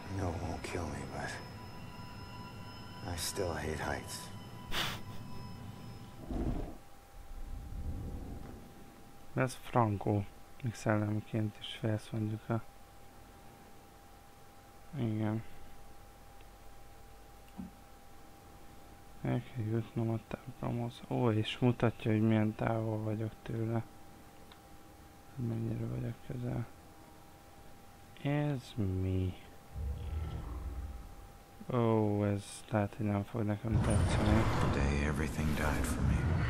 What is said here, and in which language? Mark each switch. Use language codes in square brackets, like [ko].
[hu] No, it won't kill me, but I still hate heights. Ez frankó, még szellemiként is félsz mondjuk a... Igen. El kell jutnom a templomhoz. Ó, és mutatja, hogy milyen távol vagyok tőle. Mennyire vagyok közel. Ez mi? Ó, ez lehet, hogy nem fog nekem tetszeni. [en] Today everything died for me.